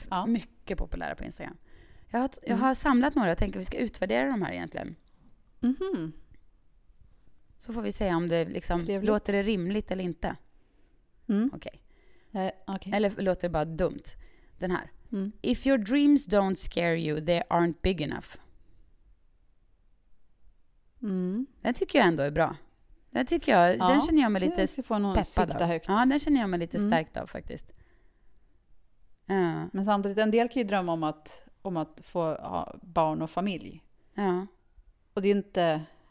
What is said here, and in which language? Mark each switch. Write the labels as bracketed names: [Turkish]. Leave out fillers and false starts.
[Swedish] Som är mycket populära på Instagram. Jag har samlat några. Jag tänker att vi ska utvärdera de här egentligen. Mm. Så får vi se om det liksom låter det rimligt eller inte. Mm. Okej. [English] Okay. [Swedish] Eller låter det bara dumt. Den här. Mm. [English] If your dreams don't scare you, they aren't big enough. Mm. [Swedish] Den tycker jag ändå är bra. Den tycker jag, den känner jag mig lite peppad av. Högt. Ja, den känner jag mig lite stärkt av faktiskt. Ja. Men samtidigt, en del kan ju drömma om att få ha barn och familj. Ja. Och det är inte...